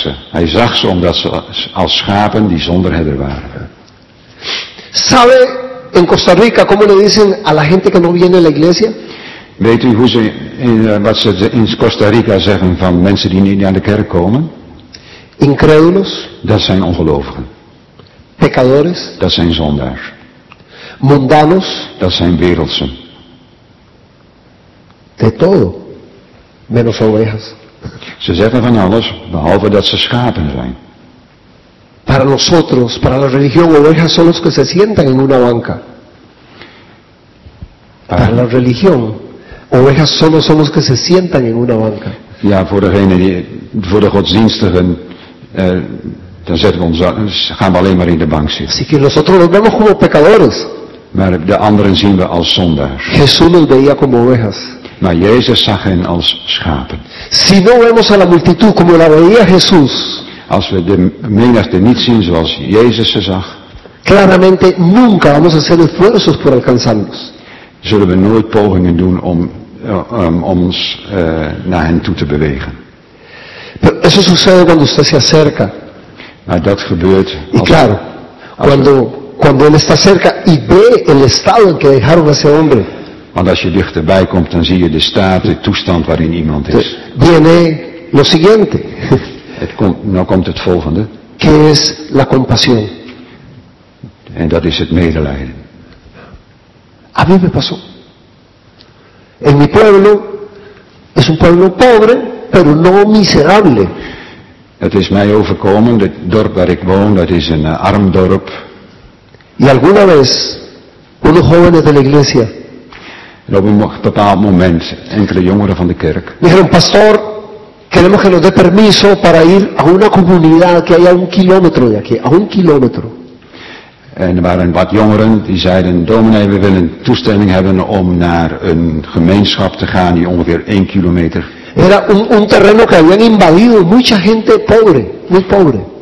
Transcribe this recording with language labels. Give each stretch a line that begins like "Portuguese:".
Dutch: Hij zag ze omdat ze als schapen die zonder herder waren.
Spanish: ¿Sabe en Costa Rica cómo le dicen a la gente que no viene a la iglesia?
Dutch: Weet u hoe ze wat ze in Costa Rica zeggen van mensen die niet naar de kerk komen?
Spanish: Incrédulos.
Dutch: Dat zijn ongelovigen.
Spanish: Pecadores.
Dutch: Dat zijn zondaars.
Spanish: Mundanos.
Dutch: Dat zijn wereldsen.
Spanish: De todo, menos ovejas.
Dutch: Ze zeggen van alles, behalve dat ze schapen zijn.
Spanish: Para nosotros, para la religión, ovejas son los que se sientan en una banca. Para la religión, ovejas solo son los que se sientan en una banca.
Dutch: Ja, voor degene die, voor de godsdienstigen, dan zetten we ons, gaan we alleen maar in de bank zitten.
Spanish: Así que nosotros los vemos como pecadores.
Dutch: Maar de anderen zien we als zondaars.
Spanish: Jesús los veía como ovejas.
Dutch: Maar Jezus zag hen als schapen.
Spanish: Si no vemos a la multitud como la veía Jesús.
Dutch: Als we de menigte niet zien zoals Jezus ze zag.
Spanish: Claramente nunca vamos a hacer esfuerzos por alcanzarlos.
Dutch: Zullen we nooit pogingen doen om ons naar hen toe te bewegen.
Spanish: Pero eso sucede cuando usted se acerca.
Dutch: Maar dat gebeurt.
Spanish: Y claro, cuando él está cerca y ve el estado en que dejaron a ese hombre.
Dutch: Want als je dichterbij komt, dan zie je de staat, de toestand waarin iemand is.
Spanish: Viene lo siguiente.
Dutch: Nou komt het volgende.
Spanish: ¿Qué es la compasión?
Dutch: En dat is het medelijden.
Spanish: A mí me pasó. En mi pueblo es un pueblo pobre, pero no miserable.
Dutch: Het is mij overkomen, het dorp waar ik woon, dat is een arm dorp.
Spanish: Y alguna vez, unos jóvenes de la iglesia.
Dutch: En op een bepaald moment, enkele jongeren van de kerk.
Spanish: Dijeron, pastor, queremos que nos dé permiso para ir a una comunidad que hay a un kilómetro de aquí, a un kilómetro.
Dutch: En er waren wat jongeren die zeiden, dominee, we willen toestemming hebben om naar een gemeenschap te gaan die ongeveer 1 kilometer.
Spanish: Era un terreno que habían invadido mucha gente pobre, muy pobre.